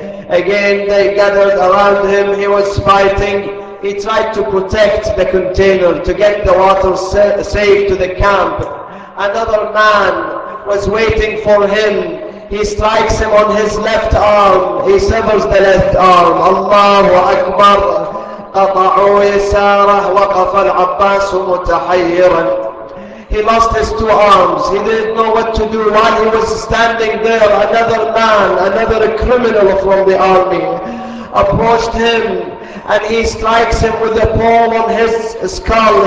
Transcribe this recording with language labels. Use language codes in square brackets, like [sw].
[en] Again they gathered around him. He was fighting. He tried to protect the container, to get the water safe to the camp. Another man was waiting for him. He strikes him on his left arm. He severs the left arm. Allahu Akbar. [ar] قطعوا يساره وقف العباس متحيرا. [en] He lost his two arms. He didn't know what to do. While he was standing there, another man, another criminal from the army, approached him. And he strikes him with a pole on his skull.